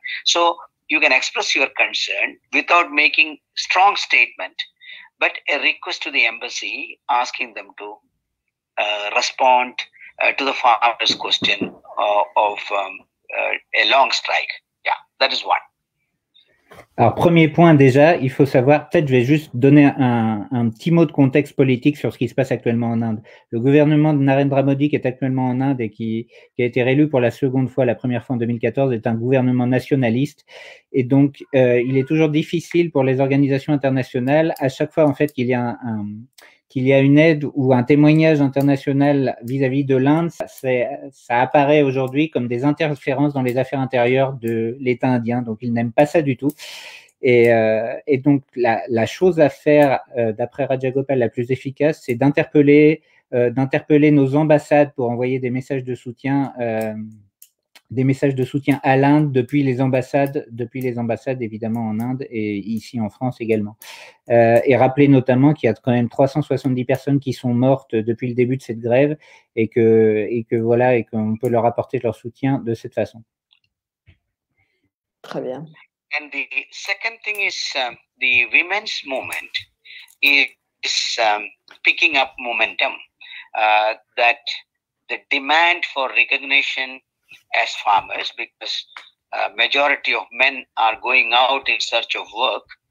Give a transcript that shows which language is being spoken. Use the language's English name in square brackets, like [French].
[English] So you can express your concern without making strong statement, but a request to the embassy asking them to respond to the farmers' question of a long strike. Yeah, that is one. [French] Alors, premier point déjà, il faut savoir, peut-être je vais juste donner un petit mot de contexte politique sur ce qui se passe actuellement en Inde. Le gouvernement de Narendra Modi qui est actuellement en Inde et qui a été réélu pour la seconde fois, la première fois en 2014, est un gouvernement nationaliste. Et donc, il est toujours difficile pour les organisations internationales, à chaque fois en fait qu'il y a une aide ou un témoignage international vis-à-vis de l'Inde, ça apparaît aujourd'hui comme des interférences dans les affaires intérieures de l'État indien. Donc, ils n'aiment pas ça du tout. Et donc, la chose à faire, d'après Rajagopal, la plus efficace, c'est d'interpeller nos ambassades pour envoyer des messages de soutien à l'Inde depuis les ambassades évidemment en Inde et ici en France également. Et rappeler notamment qu'il y a quand même 370 personnes qui sont mortes depuis le début de cette grève et qu'on peut leur apporter leur soutien de cette façon. Très bien. [English] And the second thing is the women's movement is picking up momentum that the demand for recognition as farmers, because majority of men are going out in search of work.